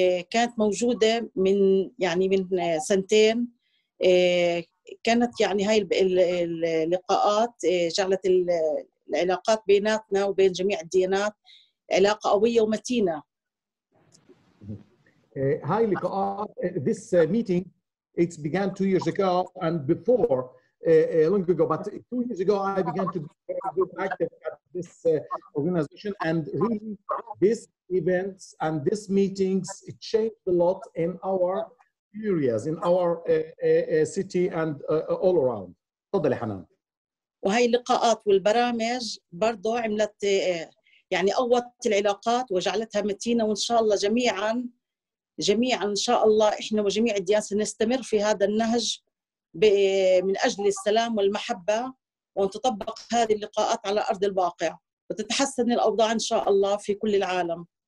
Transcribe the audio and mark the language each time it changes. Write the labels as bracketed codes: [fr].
[ar] كانت موجودة من يعني من سنتين كانت يعني هاي اللقاءات جعلت العلاقات بيناتنا وبين جميع الديانات علاقة قوية ومتينة. هاي اللقاءات [en] this meeting it began 2 years ago and before long ago but 2 years ago I began to be very active at this organization and really this events and these meetings changed a lot in our areas, in our city and all around. [ar] تفضلي حنان. وهي اللقاءات والبرامج برضو عملت يعني قوت العلاقات وجعلتها متينة وإن شاء الله جميعا إن شاء الله إحنا وجميع الديانات نستمر في هذا النهج من أجل السلام والمحبة ونتطبق هذه اللقاءات على أرض الواقع وتتحسن الأوضاع إن شاء الله في كل العالم.